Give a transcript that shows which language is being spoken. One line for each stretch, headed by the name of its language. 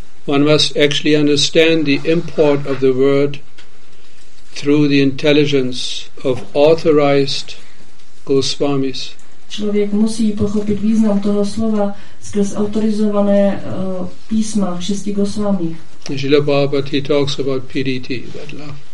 English: One must actually understand the import of the word through the intelligence of authorized Goswamis.
Czech: Člověk musí pochopit význam toho slova skrz autorizované písma šesti Goswamích.
English: Srila Prabhupada, he talks about piriti, that love.